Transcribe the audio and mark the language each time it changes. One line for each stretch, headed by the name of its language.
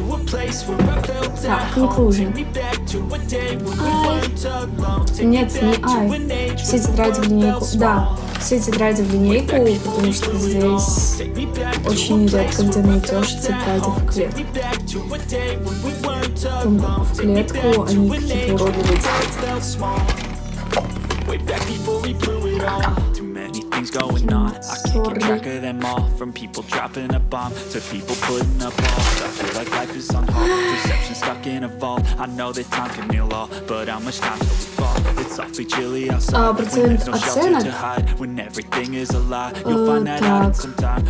English: place where I felt that conclusion. Take me back to a day when we weren't alone. Take me back to an age when we felt small.
Russian: Да. Все тетради в линейку, потому что здесь очень редко где найдешь тетради в клетку. Там в клетку они какие-то уродливые тетради.
English: Going on, I can't keep track of them all. From people dropping a bomb to people putting up walls, I feel like life is on hold. Perception stuck in a vault. I know that time can heal all, but how much time till we fall? It's awfully chilly outside. When there's no shelter to hide, when everything is a lie, you'll find that out in some time.